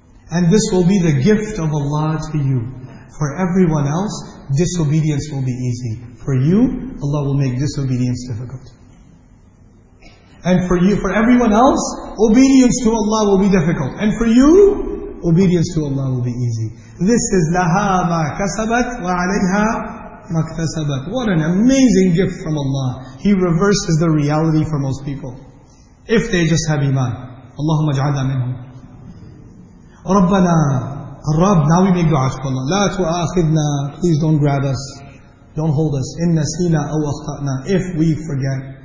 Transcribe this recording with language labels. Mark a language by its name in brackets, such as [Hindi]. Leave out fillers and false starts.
[English] And this will be the gift of Allah to you. For everyone else, disobedience will be easy. For you, Allah will make disobedience difficult. And for you, for everyone else, obedience to Allah will be difficult. And for you, obedience to Allah will be easy. This is [Arabic] لَهَا مَا كَسَبَتْ وَعَلَيْهَا مَا اكْتَسَبَتْ. [English] What an amazing gift from Allah. He reverses the reality for most people. If they just have iman. [Arabic] اللهم اجعلنا منهم. رَبَّنَا الرَّبْ. [English] Now we make dua to Allah. [Arabic] لَا تُؤَاخِذْنَا. [English] Please don't grab us. Don't hold us. [Arabic] إِن نَسِينَا أَوْ أَخْطَأْنَا. [English] If we forget.